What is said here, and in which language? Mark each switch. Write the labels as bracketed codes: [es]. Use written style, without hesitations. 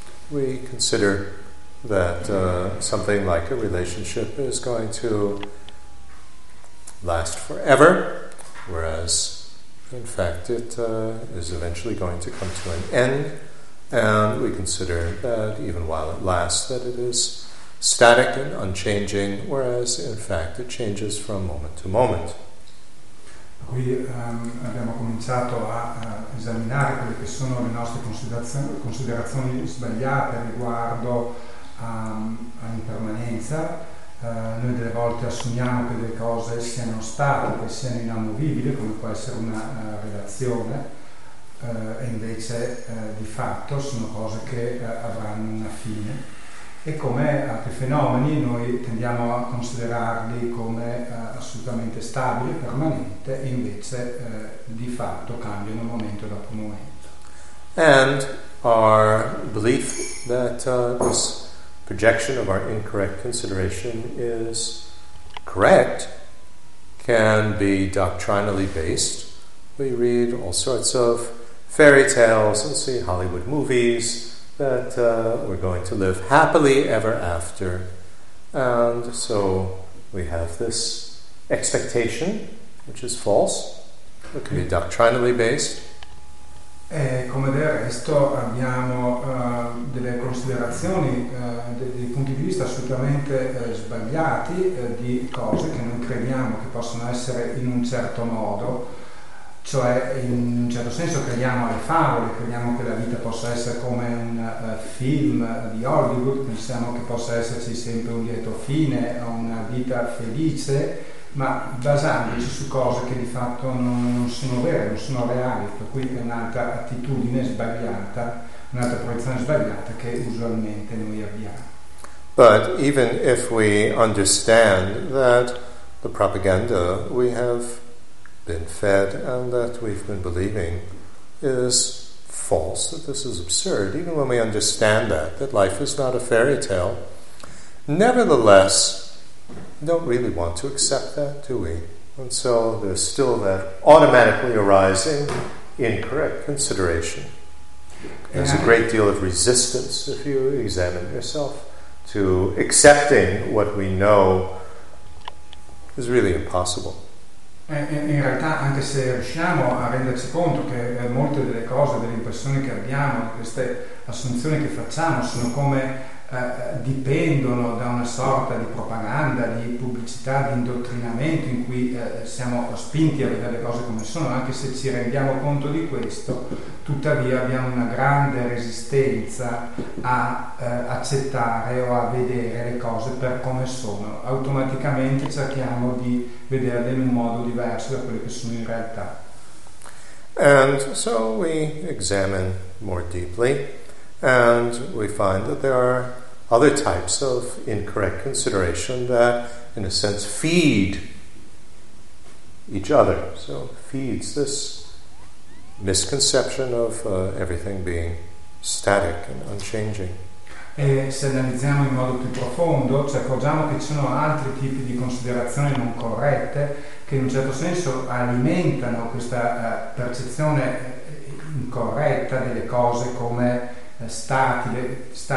[en] We consider that something like a relationship is going to last forever, whereas in fact it is eventually going to come to an end, and we consider that even while it lasts that it is static and unchanging, whereas in fact it changes from moment to moment. [it] Qui abbiamo cominciato a esaminare quelle che sono le nostre considerazioni sbagliate riguardo all'impermanenza. Noi delle volte assumiamo che delle cose siano statiche, siano inamovibili, come può essere una relazione, e invece di fatto sono cose che avranno una fine. E come altri fenomeni noi tendiamo a considerarli come assolutamente stabili, permanenti, invece di fatto cambiano momento dopo momento. [en] And our belief that this projection of our incorrect consideration is correct can be doctrinally based. We read all sorts of fairy tales and see Hollywood movies that we're going to live happily ever after. And so we have this expectation, which is false, it can be doctrinally based. [it] E come del resto abbiamo delle considerazioni, dei punti di vista assolutamente sbagliati di cose che non crediamo che possono essere in un certo modo. Cioè, in un certo senso crediamo alle favole, crediamo che la vita possa essere come un film di Hollywood, pensiamo che possa esserci sempre un lieto fine, una vita felice, ma basandoci su cose che di fatto non sono vere, non sono reali, per cui è un'altra attitudine sbagliata, un'altra proiezione sbagliata che usualmente noi abbiamo. [en] But even if we understand that the propaganda we have been fed and that we've been believing is false, that this is absurd, even when we understand that life is not a fairy tale, nevertheless, we don't really want to accept that, do we? And so there's still that automatically arising incorrect consideration. There's a great deal of resistance, if you examine yourself, to accepting what we know is really impossible. [it] In realtà, anche se riusciamo a renderci conto che molte delle cose, delle impressioni che abbiamo, queste assunzioni che facciamo, sono come dipendono da una sorta di propaganda, di pubblicità, di indottrinamento in cui siamo spinti a vedere le cose come sono, anche se ci rendiamo conto di questo, tuttavia abbiamo una grande resistenza a accettare o a vedere le cose per come sono. Automaticamente cerchiamo di vederle in un modo diverso da quelle che sono in realtà. [en] And so we examine more deeply. And we find that there are other types of incorrect consideration that, in a sense, feed each other. So feeds this misconception of everything being static and unchanging. [it] E se analizziamo in modo più profondo, ci accorgiamo che ci sono altri tipi di considerazioni non corrette che, in un certo senso, alimentano questa percezione incorretta delle cose come statiche,